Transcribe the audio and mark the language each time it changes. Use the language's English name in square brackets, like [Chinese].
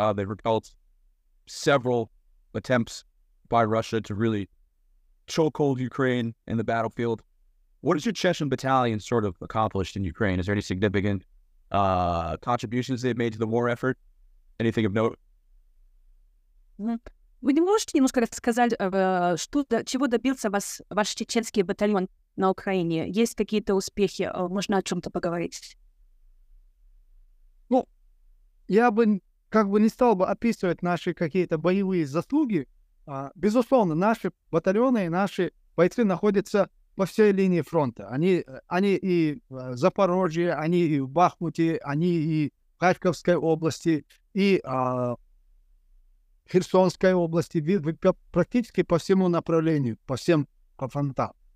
[English] They've repelled several attempts by Russia to really chokehold Ukraine in the battlefield. What has your Chechen battalion sort of accomplished in Ukraine? Is there any significant contributions they've made to the war effort? Anything of note? [Ukrainian] Ви не можете немножко розказати, чого добився ваш чеченський батальйон на Україні? Є якісь успіхи? Можна о чому-то поговорити? [Russian] Ну, я бы как бы не стал бы описывать наши какие-то боевые заслуги. Безусловно, наши батальоны и наши бойцы находятся по всей линии фронта. Они и в Запорожье, они и в Бахмуте, они и в Харьковской области, и в Херсонской области, практически по всему направлению, по всем по фронтам.